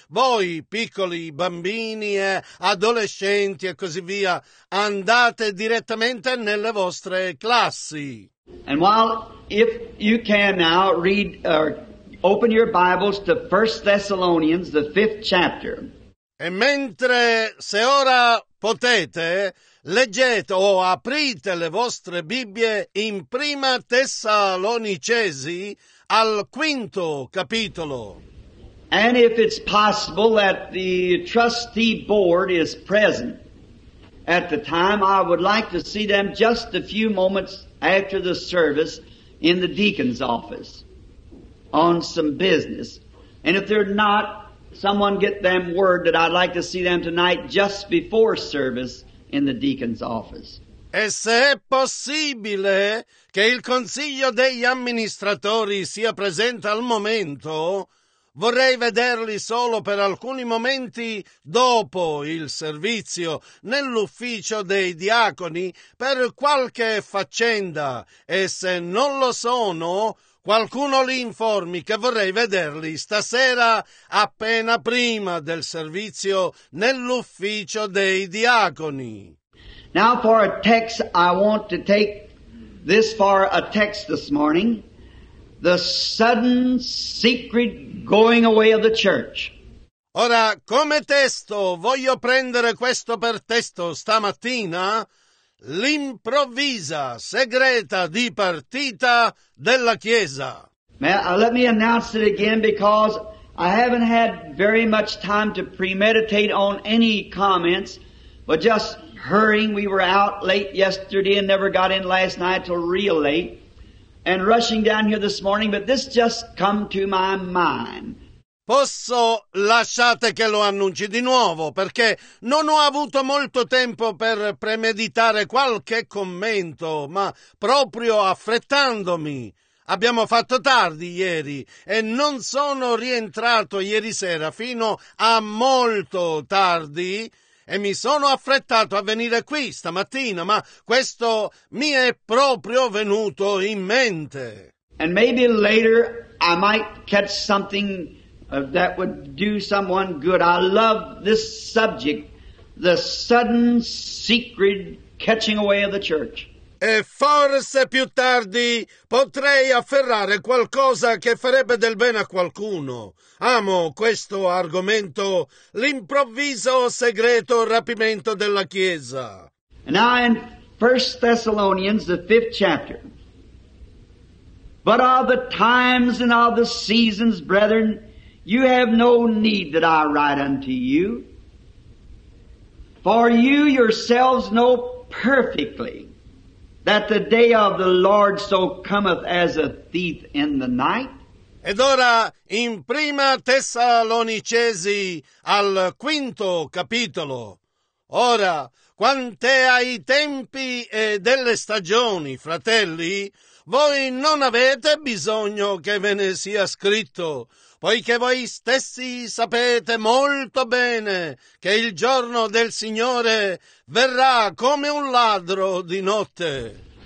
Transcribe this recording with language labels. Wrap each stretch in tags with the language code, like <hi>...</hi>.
<it>Voi, piccoli bambini e adolescenti e così via, andate direttamente nelle vostre classi.</it> <en>And while, if you can now, read or open your Bibles to 1 Thessalonians, the fifth chapter.</en> <it>E mentre se ora potete, leggete o aprite le vostre Bibbie in Prima Tessalonicesi al quinto capitolo.</it> <en>And if it's possible that the trustee board is present at the time, I would like to see them just a few moments after the service in the deacon's office on some business. And if they're not, Someone get them word that I'd like to see them tonight just before service in the deacon's office.</en> <it>E se è possibile che il consiglio degli amministratori sia presente al momento, vorrei vederli solo per alcuni momenti dopo il servizio nell'ufficio dei diaconi per qualche faccenda. E se non lo sono, qualcuno li informi che vorrei vederli stasera appena prima del servizio nell'ufficio dei diaconi.</it> <en>Now for a text, I want to take this for a text this morning. The sudden secret going away of the church.</en> <it>Ora, come testo, voglio prendere questo per testo stamattina, l'improvvisa segreta dipartita della Chiesa.</it> <en>Let me announce it again because I haven't had very much time to premeditate on any comments, but just hurrying, we were out late yesterday and never got in last night till real late, and rushing down here this morning, but this just come to my mind.</en> <it>Posso lasciate che lo annunci di nuovo, perché non ho avuto molto tempo per premeditare qualche commento, ma proprio affrettandomi. Abbiamo fatto tardi ieri e non sono rientrato ieri sera fino a molto tardi. E mi sono affrettato a venire qui stamattina, ma questo mi è proprio venuto in mente.</it> <en>And maybe later I might catch something that would do someone good. I love this subject, the sudden secret catching away of the church.</en> <it>E forse più tardi potrei afferrare qualcosa che farebbe del bene a qualcuno. Amo questo argomento, l'improvviso segreto rapimento della Chiesa.</it> <en>And now in 1 Thessalonians, the 5th chapter. But of the times and of the seasons, brethren, you have no need that I write unto you. For you yourselves know perfectly that the day of the Lord so cometh as a thief in the night.</en> <it>Ed ora, in Prima Tessalonicesi, al 5° capitolo. Ora, quant'è ai tempi e delle stagioni, fratelli, voi non avete bisogno che ve ne sia scritto, poiché voi stessi sapete molto bene che il giorno del Signore verrà come un ladro di notte.</it>